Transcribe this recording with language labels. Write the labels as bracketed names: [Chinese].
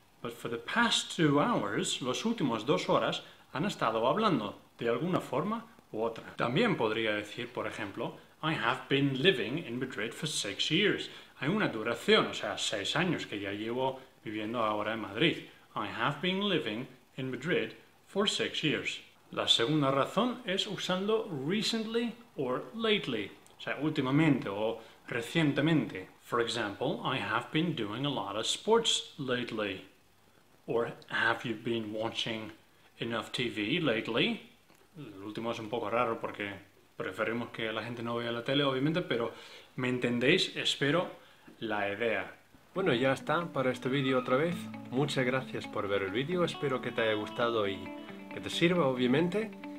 [English] But for the past 2 hours, [Spanish] los últimos 2 horas, han estado hablando de alguna forma u otra. También podría decir, por ejemplo, [English] I have been living in Madrid for 6 years. [Spanish] Hay una duración, o sea, 6 años que ya llevo viviendo ahora en Madrid. [English] I have been living in Madrid for 6 years. [Spanish] La segunda razón es usando [English] recently or lately, [Spanish] o sea, últimamente o recientemente. [English] For example, I have been doing a lot of sports lately. Or have you been watching enough TV lately? [Spanish] El último es un poco raro porque preferimos que la gente no vea la tele, obviamente, pero me entendéis, espero, la idea. Bueno, ya está para este vídeo otra vez. Muchas gracias por ver el vídeo. Espero que te haya gustado y que te sirva, obviamente.